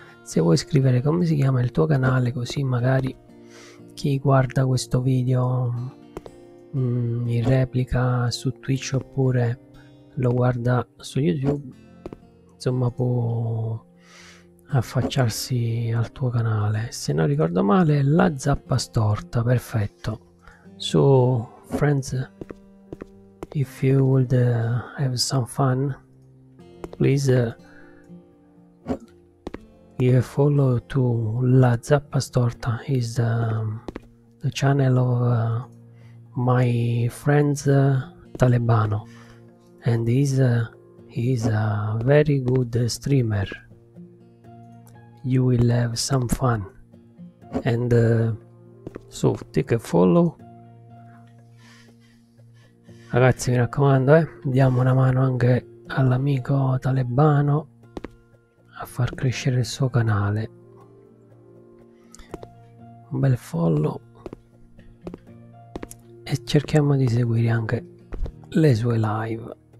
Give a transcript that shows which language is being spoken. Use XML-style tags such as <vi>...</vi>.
<it>Se vuoi scrivere come si chiama il tuo canale, così magari chi guarda questo video in replica su Twitch oppure lo guarda su YouTube, insomma può affacciarsi al tuo canale. Se non ricordo male, la zappa storta, perfetto. Su Friends.</it> <en>If you would have some fun, please give a follow to La Zappa Storta. Is the channel of my friends Talebano, and he's a very good streamer. You will have some fun, and so take a follow.</en> <it>Ragazzi, mi raccomando, diamo una mano anche all'amico Talebano a far crescere il suo canale. Un bel follow e cerchiamo di seguire anche le sue live.</it>